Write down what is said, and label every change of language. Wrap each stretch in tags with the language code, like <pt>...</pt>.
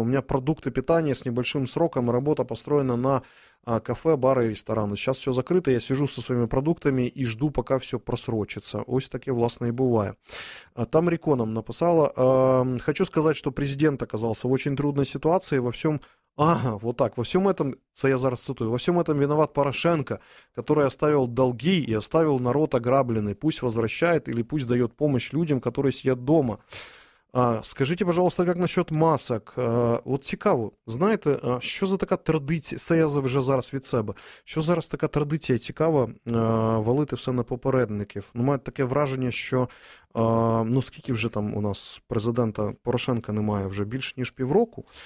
<uk>У мене продукти питання з небольшим сроком, робота построєна на кафе, бари і ресторани. Зараз все закрите, я сижу зі своїми продуктами і жду, поки все просрочиться. Ось таке, власне, і буває. Там Рікона написала, хочу сказати, що президент оказався в дуже трудній ситуації, во всьому</uk> <ru>Ага, вот так. Во всем этом,</ru> <uk>це я зараз цитую,</uk> <ru>во всем этом виноват Порошенко, который оставил долги и оставил народ ограбленный. Пусть возвращает или пусть дает помощь людям, которые сидят дома. Скажите, пожалуйста, как насчет масок?</ru> <uk>Вот цікаво,</uk> <ru>знаете, что за такая традиция,</ru> <uk>це я вже зараз від себе, що зараз така традиція цікава валити все на попередників? Ну, мають таке враження, що, ну, скільки вже там у нас президента Порошенка немає, вже більш ніж півроку.</uk>